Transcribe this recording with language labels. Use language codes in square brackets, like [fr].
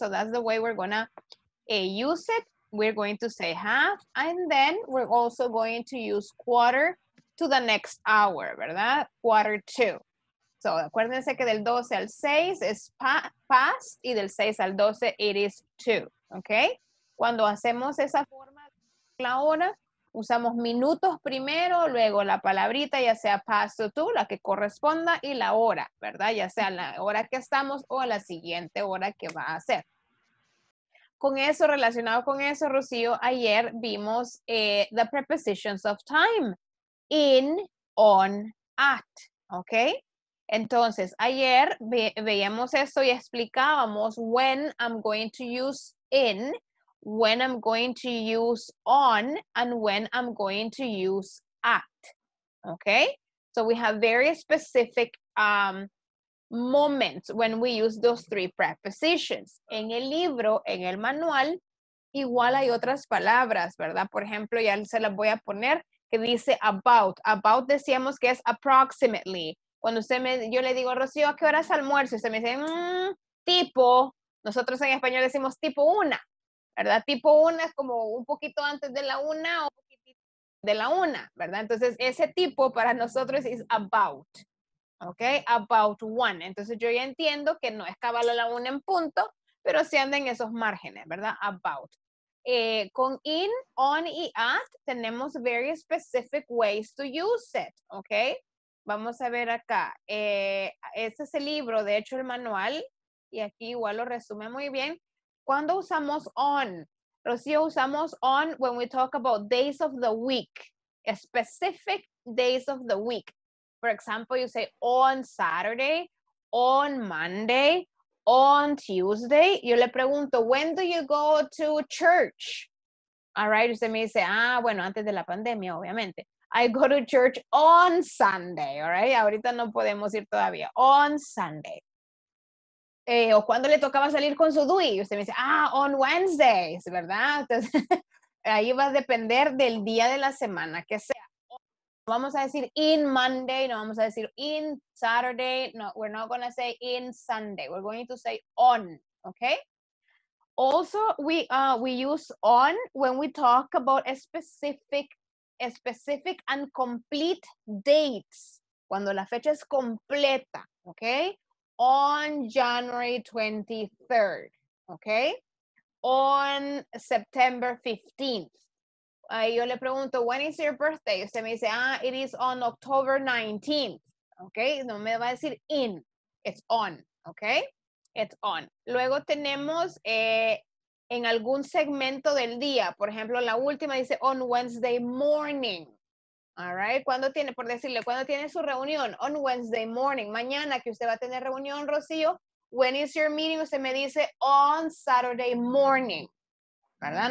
[en] So that's the way we're gonna use it. We're going to say half, and then we're also going to use quarter to the next hour, ¿verdad? Quarter to. [es] So, acuérdense que del 12 al 6 es past, y del 6 al 12 [en] it is to, [es] ¿ok? Cuando hacemos esa forma de la hora, usamos minutos primero, luego la palabrita, ya sea past o to, la que corresponda, y la hora, ¿verdad? Ya sea la hora que estamos o la siguiente hora que va a ser. Con eso, relacionado con eso, Rocío, ayer vimos [en] the prepositions of time. In, on, at, ¿ok? [es] Entonces, ayer veíamos esto y explicábamos [en] when I'm going to use in, when I'm going to use on, and when I'm going to use at, ¿ok? So we have very specific moments when we use those three prepositions. [es] En el libro, en el manual, igual hay otras palabras, ¿verdad? Por ejemplo, ya se las voy a poner, que dice about. About decíamos que es approximately. Cuando usted me, yo le digo, Rocío, ¿a qué hora es almuerzo? Usted me dice, tipo. Nosotros en español decimos tipo una, ¿verdad? Tipo una es como un poquito antes de la una o un poquito de la una, ¿verdad? Entonces, ese tipo para nosotros es about. ¿Ok? [en] About one. [es] Entonces, yo ya entiendo que no es cabal a la una en punto, pero sí anda en esos márgenes, ¿verdad? About. [en] Con in, on y at, tenemos very specific ways to use it, ¿ok? [es] Vamos a ver acá. Este es el libro, de hecho, el manual, y aquí igual lo resume muy bien. ¿Cuándo usamos on? [en] Rocío, usamos on when we talk about days of the week, specific days of the week. For example, you say on Saturday, on Monday, on Tuesday. [es] Yo le pregunto, [en] when do you go to church? All right, [es] usted me dice, ah, bueno, antes de la pandemia, obviamente. [en] I go to church on Sunday, all right? [es] Ahorita no podemos ir todavía. On Sunday. O cuando le tocaba salir con su Dui, usted me dice, ah, [en] on Wednesdays, [es] ¿verdad? Entonces, ahí va a depender del día de la semana que sea. Vamos a decir [en] in Monday, [es] no vamos a decir [en] in Saturday, no, we're not going to say in Sunday. We're going to say on, okay? Also, we use on when we talk about a specific and complete dates. [es] Cuando la fecha es completa, [en] okay? On January 23rd, okay? On September 15th. [es] Ahí yo le pregunto, [en] when is your birthday? [es] Usted me dice, ah, [en] it is on October 19th. Ok, [es] no me va a decir [en] in, it's on, ok, it's on. [es] Luego tenemos en algún segmento del día, por ejemplo, la última dice [en] on Wednesday morning. [es] All right, ¿cuándo tiene, por decirle, cuándo tiene su reunión? [en] On Wednesday morning, [es] mañana que usted va a tener reunión, Rocío. [en] When is your meeting? [es] Usted me dice [en] on Saturday morning, ¿verdad?